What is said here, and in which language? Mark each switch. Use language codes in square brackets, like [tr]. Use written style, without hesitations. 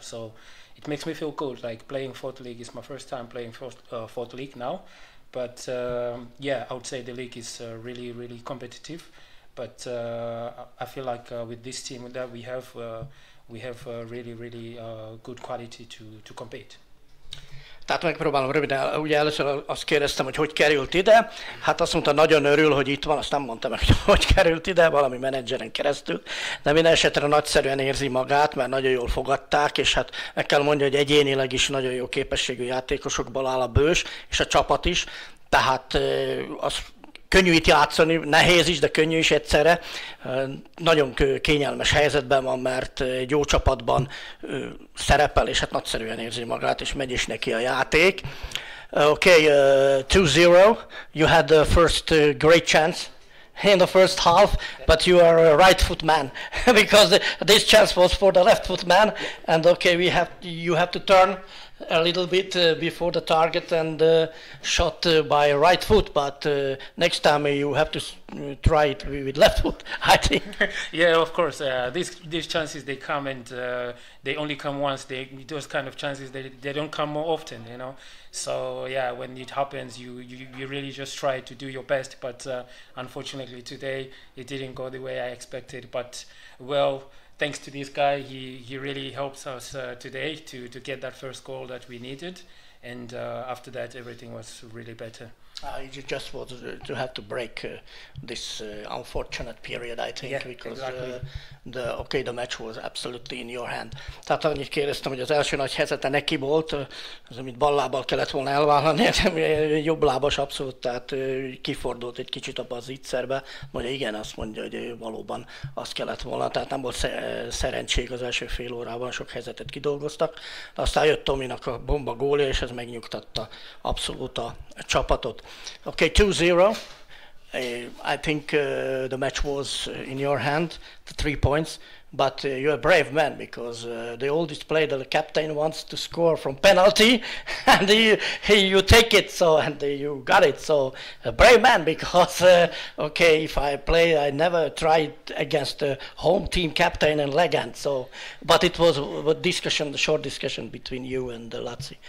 [en] So it makes me feel good, like playing fourth league is my first time playing fourth league now. But yeah, I would say the league is really, really competitive. But I feel like with this team that we have really, really good quality to compete. [hu] Tehát megpróbálom röviden, ugye először azt kérdeztem, hogy hogy került ide, hát azt mondta, nagyon örül, hogy itt van, azt nem mondta meg, hogy került ide, valami menedzseren keresztül, de minden esetre nagyszerűen érzi magát, mert nagyon jól fogadták, és hát meg kell mondja, hogy egyénileg is nagyon jó képességű játékosokból áll a Bős, és a csapat is, tehát az könnyű itt játszani, nehéz is, de könnyű is egyszerre. Nagyon kényelmes helyzetben van, mert egy jó csapatban szerepel, és hát nagyszerűen érzi magát, és megy is neki a játék. [en] Okay, 2-0, you had the first great chance in the first half, but you are a right foot man, because this chance was for the left foot man, and okay, you have to turn a little bit before the target and shot by right foot, but next time you have to try it with left foot, I think. Yeah, of course, these chances, they come and they only come once. Those kind of chances, they don't come more often, you know. So yeah, when it happens, you really just try to do your best, but unfortunately today it didn't go the way I expected. But well, thanks to this guy, he really helps us today to get that first goal that we needed, and after that everything was really better. It just was to have to break this unfortunate period, I think, yeah, because exactly. The match was absolutely in your hand. [hu] Tehát annyit kérdeztem, hogy az első nagy helyzete neki volt, az, amit bal lábbal kellett volna elvállalni, jobb lábas abszolút, tehát kifordult egy kicsit abba az ígyszerbe, mondja igen, azt mondja, hogy valóban azt kellett volna, tehát nem volt szerencség az első fél órában, sok helyzetet kidolgoztak, de aztán jött Tominak a bomba gólja, és ez megnyugtatta abszolút a csapatot. [en] Okay, 2-0. I think the match was in your hand, the 3 points, but you're a brave man because the oldest player, the captain, wants to score from penalty and you take it, so and you got it, so a brave man because, okay, if I play, I never tried against a home team captain and legend, so, but it was a discussion, a short discussion between you and Lazzi.